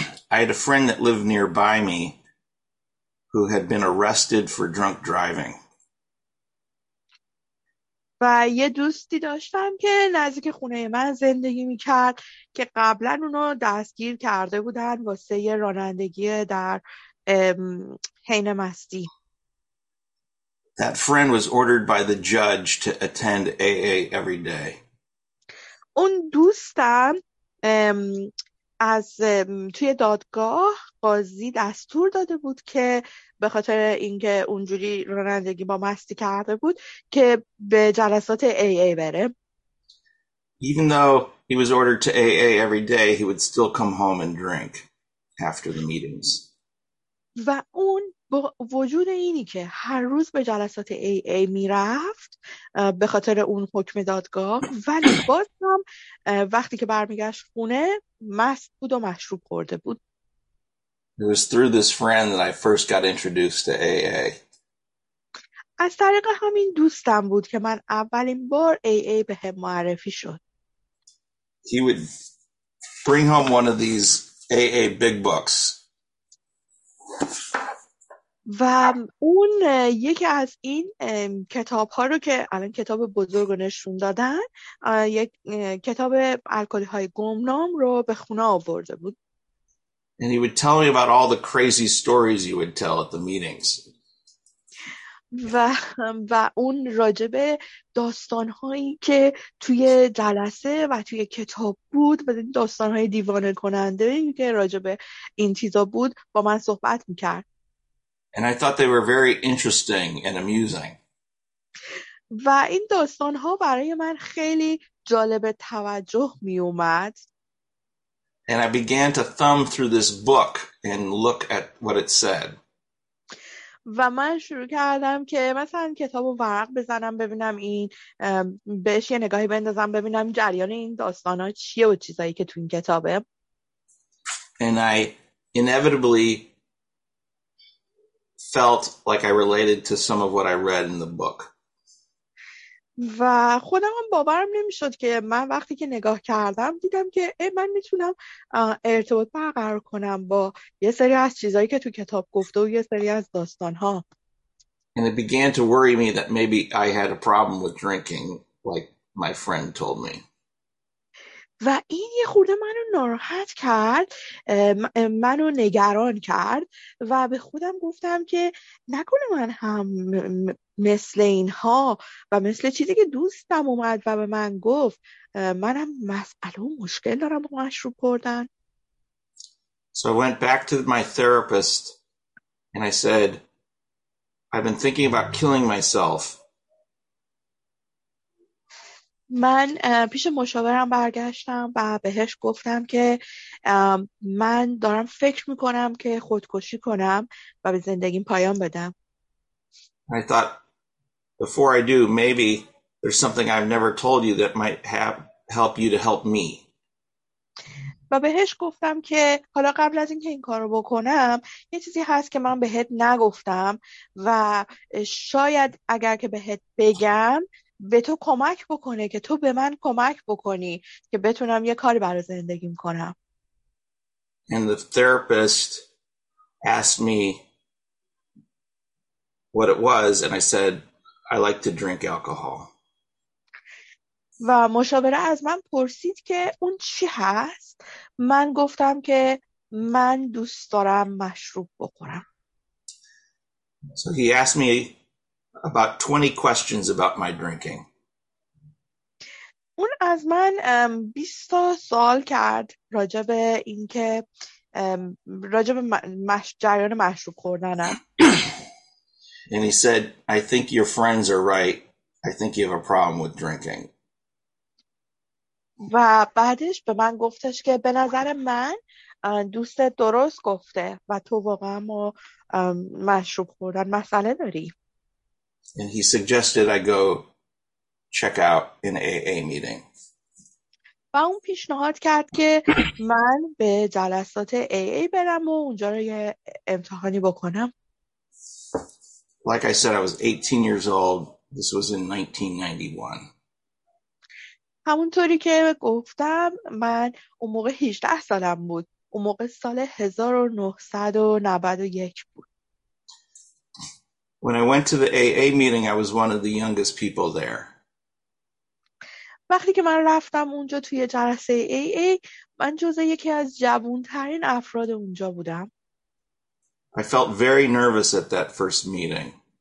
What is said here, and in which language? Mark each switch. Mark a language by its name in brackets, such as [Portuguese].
[English] I had a friend that lived nearby me who had been arrested for drunk driving. [Persian] و یه دوستی داشتم که نزدیک خونه من زندگی می‌کرد که قبلا اونو دستگیر کرده بودن واسه رانندگی در حین مستی. [English] That friend was ordered by the judge to attend AA every day. [Persian] اون دوستم از توی دادگاه قاضی دستور داده بود که به خاطر اینکه اونجوری رانندگی با مستی کرده بود که به جلسات AA بره. [English] Even though he was ordered to AA every day, he would still come home and drink after the meetings. [Persian] و اون با وجود اینی که هر روز به جلسات AA میرفت به خاطر اون حکم دادگاه، ولی بازم وقتی که برمیگشت خونه مست بود و مشروب خورده بود. [English] It was through this friend that I first got introduced to AA. [Persian] از طریق همین دوستم بود که من اولین بار AA به هم معرفی شد. [English] He would bring home one of these AA big books. [Persian] و اون یکی از این کتاب ها رو که الان کتاب بزرگ رو نشون دادن، یک کتاب الکلی های گمنام رو به خونه آورده بود. [English] And he would tell me about all the crazy stories you would tell at the meetings. [Persian] و اون راجب داستانهایی که توی جلسه و توی کتاب بود و داستانهای دیوانه کننده که راجب این چیزا بود با من صحبت میکرد. [English] And I thought they were very interesting and amusing. [Persian] و این داستانها برای من خیلی جالب توجه میومد. [English] And I began to thumb through this book and look at what it said. [Persian] و من شروع کردم که مثلا کتاب و ورق بزنم ببینم این بهش یه نگاهی بندازم ببینم جریان این داستان ها چیه و چیزایی که تو این کتابه. [English] And I inevitably felt like I related to some of what I read in the book. [Persian] و خودم هم باورم نمیشد که من وقتی که نگاه کردم دیدم که من میتونم ارتباط برقرار کنم با یه سری از چیزایی که تو کتاب گفته و یه سری از داستانها. [English] And it began to worry me that maybe I had a problem with drinking, like my friend told me. [Persian] و این یه خورده منو ناراحت کرد، منو نگران کرد و به خودم گفتم که نکنه من هم مثل اینها و مثل چیزی که دوستم اومد و به من گفت منم مسئله و مشکل دارم با مشروب خوردن. [English] So I went back to my therapist and I said I've been thinking about killing myself. [Persian] من پیش مشاورم برگشتم و بهش گفتم که من دارم فکر میکنم که خودکشی کنم و به زندگیم پایان بدم. [English] I thought before I do maybe there's something I've never told you that might help you to help me. [Persian] و بهش گفتم که حالا قبل از اینکه این کارو بکنم یه چیزی هست که من بهت نگفتم و شاید اگر که بهت بگم به تو کمک بکنه که تو به من کمک بکنی که بتونم یه کاری برای زندگیم کنم. [English] And the therapist asked me what it was and I said I like to drink alcohol. [Persian] و مشاوره از من پرسید که اون چی هست؟ من گفتم که من دوست دارم مشروب بخورم. [English] So he asked me about 20 questions about my drinking. [Persian] اون از من 20 تا سوال کرد راجب اینکه راجب جریان مشروب خوردنم. [English] And he said, I think your friends are right. I think you have a problem with drinking. [Persian] و بعدش به من گفتش که به نظر من دوست درست گفته و تو واقعا ما مشروب خوردن مسئله داری. [English] And he suggested I go check out an AA meeting. [Persian] و اون پیشنهاد کرد که من به جلسات AA برم و اونجا رو یه امتحانی بکنم. [English] Like I said, I was 18 years old. This was in 1991. [Persian] همونطوری که گفتم من اون موقع 18 سالم بود. اون موقع سال 1991 بود. [English] When I went to the AA meeting, I was one of the youngest people there. [Persian] وقتی که من رفتم اونجا توی جلسه AA, من جزء یکی از جوان‌ترین افراد اونجا بودم. [English] I felt very nervous at that first meeting.